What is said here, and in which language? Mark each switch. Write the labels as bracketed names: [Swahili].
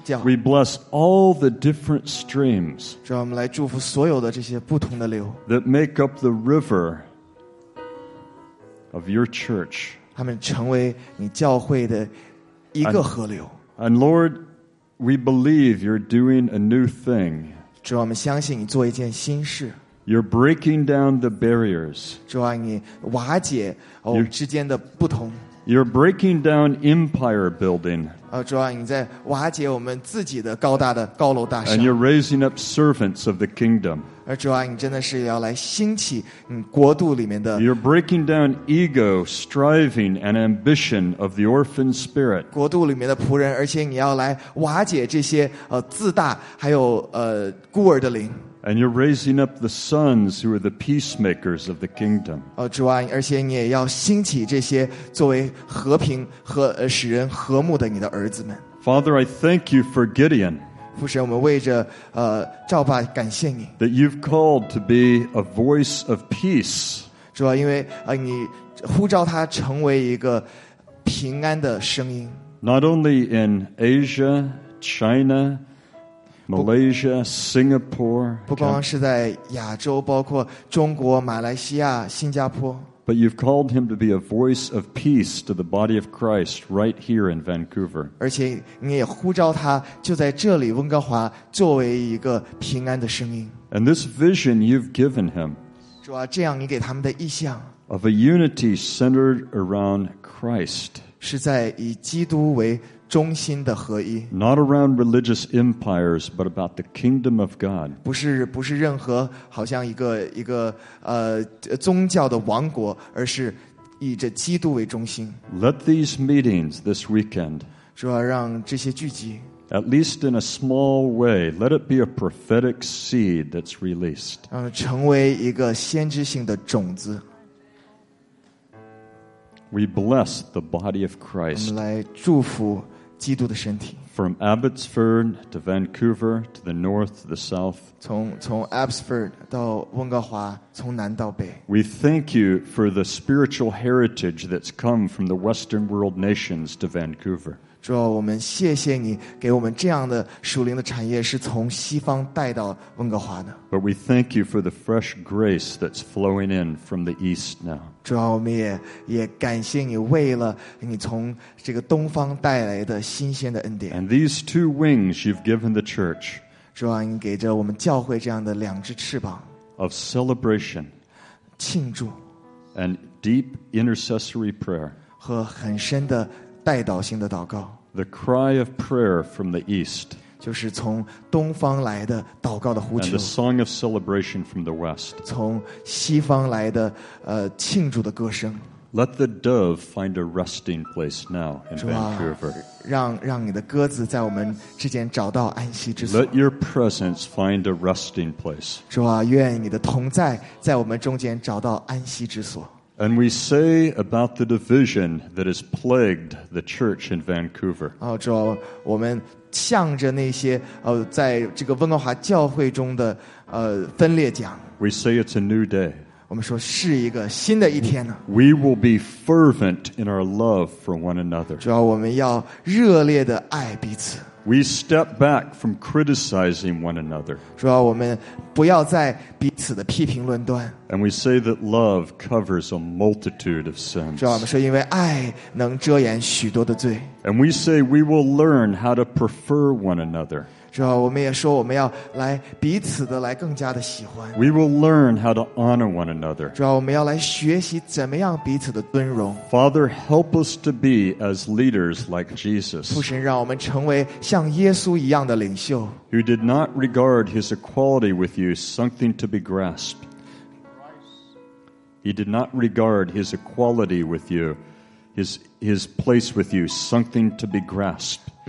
[English] We bless all the different streams. [Chinese] 让我们来祝福所有的这些不同的流。 [English] That make up the river of your church. [Chinese] 他们成为你教会的一个河流。 [English] And Lord, we believe you're doing a new thing. [Chinese] 主啊，我们相信你做一件新事。 [English] You're breaking down the barriers. [Chinese] 主啊，你瓦解之间的不同。 [English] You're breaking down empire building. [Chinese] 主啊，你在瓦解我们自己的高大的高楼大厦。 [English] And you're raising up servants of the kingdom. [Chinese] 而主啊，你真的是要来兴起你国度里面的。 [English] You're breaking down ego, striving, and ambition of the orphan spirit. [Chinese] 国度里面的仆人，而且你要来瓦解这些自大，还有孤儿的灵。 [English] And you're raising up the sons who are the peacemakers of the kingdom. [Chinese] 主啊，而且你也要兴起这些作为和平和使人和睦的你的儿子们。 [English] Father, I thank you for Gideon. [Chinese] 父神，我们为着赵爸感谢你。 [English] That you've called to be a voice of peace. [Chinese] 主啊，因为你呼召他成为一个平安的声音。 [English] Not only in Asia, China. Malaysia, Singapore, [Chinese] 不光是在亚洲，包括中国、马来西亚、新加坡。 [English] But you've called him to be a voice of peace to the body of Christ right here in Vancouver. [Chinese] 而且你也呼召他就在这里温哥华作为一个平安的声音。 [English] And this vision you've given him, [Chinese] 主啊，这样你给他们的意象 [English] of a unity centered around Christ, [Chinese] 是在以基督为中心的合一 [English] Not around religious empires, but about the kingdom of God. [Chinese] 不是任何好像一个宗教的王国，而是以着基督为中心。 [English] Let these meetings this weekend. [Chinese] 说要让这些聚集 [English] at least in a small way, let it be a prophetic seed that's released. [Chinese] 成为一个先知性的种子。 [English] We bless the body of Christ. [Chinese] 我们来祝福。基督的身体 [English] From Abbotsford to Vancouver to the north to the south. [Chinese] 从 Abbotsford 到温哥华，从南到北。 [English] We thank you for the spiritual heritage that's come from the Western world nations to Vancouver. [Chinese] 主啊，我们谢谢你给我们这样的属灵的产业是从西方带到温哥华的。 [English] But we thank you for the fresh grace that's flowing in from the east now. [Chinese] 主啊，我们也感谢你为了你从这个东方带来的新鲜的恩典。 [English] And these two wings you've given the church. [Chinese] 主啊，你给着我们教会这样的两只翅膀。 [English] Of celebration. [Chinese] 庆祝。 [English] And deep intercessory prayer. [Chinese] 和很深的代祷性的祷告。 [English] The cry of prayer from the east. [Chinese] 就是从东方来的祷告的呼求。 [English] And the song of celebration from the west. [Chinese] 从西方来的庆祝的歌声。 [English] Let the dove find a resting place now in Vancouver. [Chinese] 让你的鸽子在我们之间找到安息之所。 [English] Let your presence find a resting place. [Chinese] 主啊，愿你的同在在我们中间找到安息之所。 [English] And we say about the division that has plagued the church in Vancouver. [Chinese] 主啊，我们向着那些在这个温哥华教会中的分裂讲。 [English] We say it's a new day. [Chinese] 我们说是一个新的一天呢。 [English] We will be fervent in our love for one another. [Chinese] 主啊，我们要热烈的爱彼此。 [English] We step back from criticizing one another. [Chinese] 主啊，我们不要再彼此的批评论断。 [English] And we say that love covers a multitude of sins. [Chinese] 主啊，我们说因为爱能遮掩许多的罪。 [English] And we say we will learn how to prefer one another. [Chinese] 主啊，我们也说我们要来彼此的来更加的喜欢。 [English] We will learn how to honor one another. [Chinese] 主啊，我们要来学习怎么样彼此的尊荣。 [English] Father, help us to be as leaders like Jesus. [Chinese] 父神，让我们成为像耶稣一样的领袖。 [English] Who did not regard his equality with you something to be grasped. He did not regard his equality with you, his place with you something to be grasped.